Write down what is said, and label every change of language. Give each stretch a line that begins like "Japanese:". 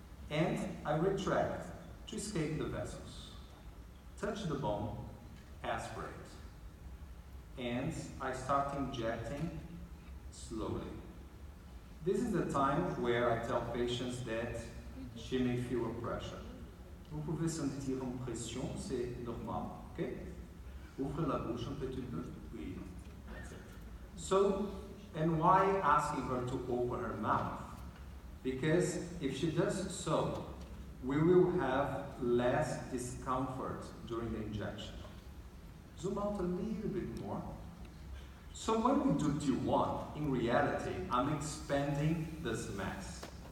English: And I retract to escape the vessels. Touch the bone, aspirate. And I start injecting slowly. This is the time where I tell patients that she may feel a pressure.
French: Vous pouvez sentir une pression, c'est normal, ok? Ouvre la bouche un petit peu. Oui.
English: So, and why asking her to open her mouth? Because if she does so, we will have less discomfort during the injection. Zoom out a little bit more. So when we do T1, in reality, I'm expanding this mass.